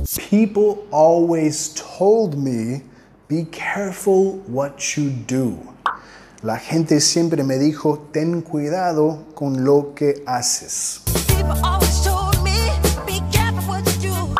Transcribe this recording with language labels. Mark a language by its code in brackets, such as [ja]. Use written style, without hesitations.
[en] People always told me, be careful what you do. [es] La gente siempre me dijo, ten cuidado con lo que haces. [en] People always told me, be careful what you do.